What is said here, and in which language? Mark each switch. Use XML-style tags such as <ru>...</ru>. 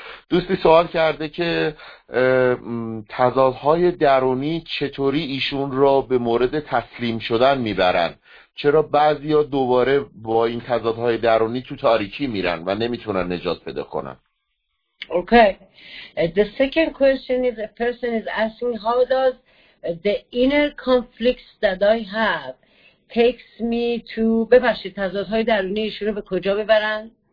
<fa>دوستی سوال کرده که تضادهای درونی چطوری ایشون را به مورد تسلیم شدن میبرن؟ چرا بعضی ها دوباره با این تضادهای درونی تو تاریکی میرن و نمیتونن نجات پیدا کنن؟</fa> <en>Okay. The second question is, a person is asking, how does the inner conflicts that I have takes me to...</en> <fa>ببخشید، تضادهای درونی ایشون رو به کجا ببرن؟</fa>